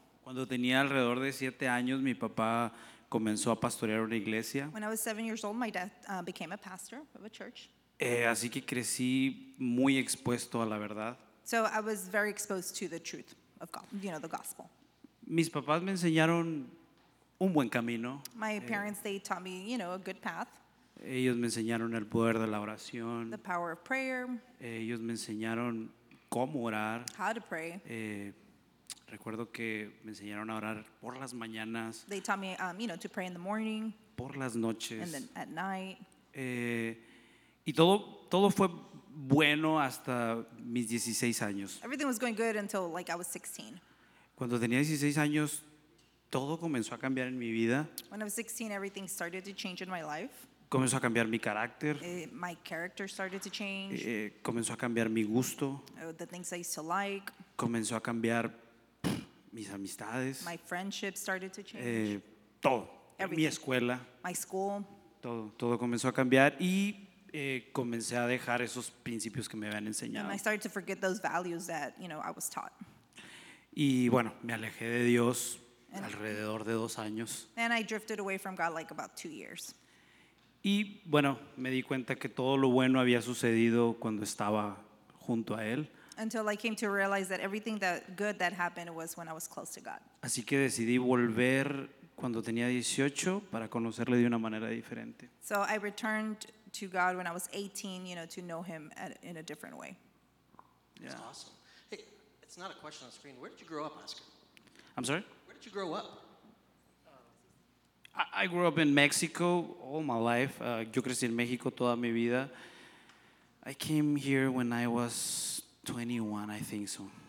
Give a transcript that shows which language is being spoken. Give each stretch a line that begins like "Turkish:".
Spanish: Cuando tenía alrededor de 7 años, mi papá comenzó a pastorear una iglesia.
English: When I was 7 years old, my dad became a pastor of a church.
Spanish: Así que crecí muy expuesto a la verdad.
English: So I was very exposed to the truth of God, you know, the gospel.
Spanish: Mis papás me enseñaron un buen camino.
English: My parents, they taught me, you know, a good path.
Spanish: Ellos me enseñaron el poder de la oración.
English: The power of prayer.
Spanish: Ellos me enseñaron cómo orar.
English: How to pray.
Spanish: Recuerdo que me enseñaron a orar por las mañanas.
English: They taught me, you know, to pray in the morning.
Spanish: Por las noches.
English: And then at night.
Spanish: Y todo fue bueno hasta mis 16 años.
English: Everything was going good until like I was 16.
Spanish: Cuando tenía 16 años, todo comenzó a cambiar en mi vida.
English: When I was 16, everything started to change in my life.
Spanish: Comenzó a cambiar mi carácter.
English: My character started to change.
Spanish: Comenzó a cambiar mi gusto.
English: The things I used to like.
Spanish: Comenzó a cambiar mis amistades.
English: My friendships started to change.
Spanish: Todo.
English: Everything.
Spanish: Mi escuela.
English: My school.
Spanish: Todo comenzó a cambiar y comencé a dejar esos principios que me habían enseñado.
English: And I started to forget those values that, you know, I was taught.
Spanish: Y bueno, me alejé de Dios. alrededor de dos años.
English: And I drifted away from God like about 2 years.
Spanish: Y bueno, me di cuenta que todo lo bueno había sucedido cuando estaba junto a él.
English: Until I came to realize that everything that good that happened was when I was close to God.
Spanish: Así que decidí volver cuando tenía 18 para conocerle de una manera diferente.
English: So I returned to God when I was 18, you know, to know him at, in a different way. Yeah. That's awesome. Hey, it's not a question on the screen. Where did you grow up, Oscar? I'm sorry? Where did you grow up? I grew up in Mexico all my life.
Spanish: Yo crecí en México toda mi vida.
English: I came here when I was 21, I think so.